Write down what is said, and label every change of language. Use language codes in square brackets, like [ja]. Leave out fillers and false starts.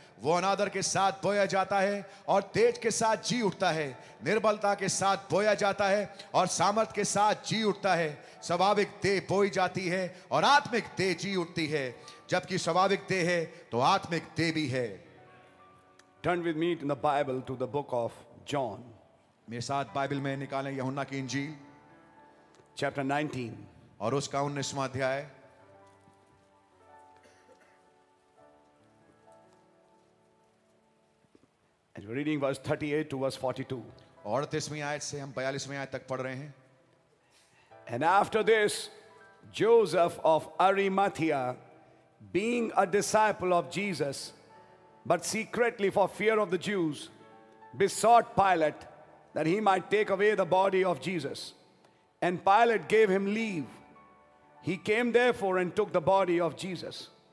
[hi] वो अनादर के साथ बोया जाता है और तेज के साथ जी उठता है. निर्बलता के साथ बोया जाता है और सामर्थ के साथ जी उठता है. स्वाभाविक देह बोई जाती है और आत्मिक देह जी उठती है. जबकि स्वाभाविक देह है तो आत्मिक देह भी है. [en] Turn with me in the Bible to the book of John. [hi] मेरे साथ बाइबल में निकालें यूहन्ना की इंजील. [en] Chapter 19. [hi] और उसका 19वां अध्याय. [en] And we're reading verse 38 to verse 42. [hi] और 38वीं आयत से हम 42वीं आयत तक पढ़ रहे हैं. [en] And after this, Joseph of Arimathea, being a disciple of Jesus, but secretly for fear of the Jews, besought Pilate that he might take away the body of Jesus. And Pilate gave him leave. He came therefore and took the body of Jesus.